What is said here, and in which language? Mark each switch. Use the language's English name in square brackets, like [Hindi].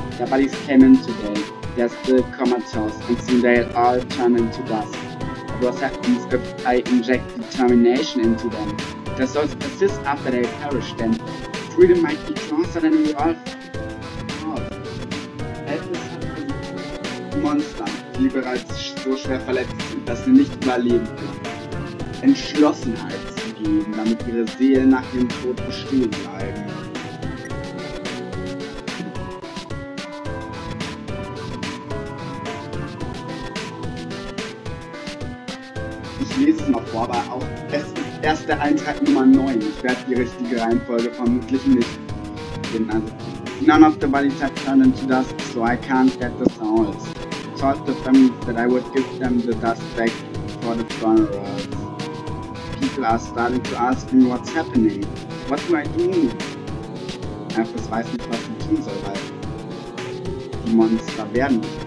[English] Their bodies came in today. They're still comatose and soon they'll all turn into dust. But what happens if I inject determination into them? Their souls persist after they perish, then freedom might be closer than we all thought. [German] Es ist ein Monster, die bereits so schwer verletzt sind, dass sie nicht überleben können. Entschlossenheit. Damit ihre Seelen nach dem Tod bestehen bleiben. Ich lese es noch vor, aber auch erst der Eintrag Nummer 9. Ich werde die richtige Reihenfolge vermutlich nicht finden. Also, [English] none of the bodies have turned into dust, so I can't get the souls. Told the family that I would give them the dust back for the funeral. People are starting to ask me what's happening. What do I do? [German] Alphys weiß nicht, was sie tun soll, weil die Monster werden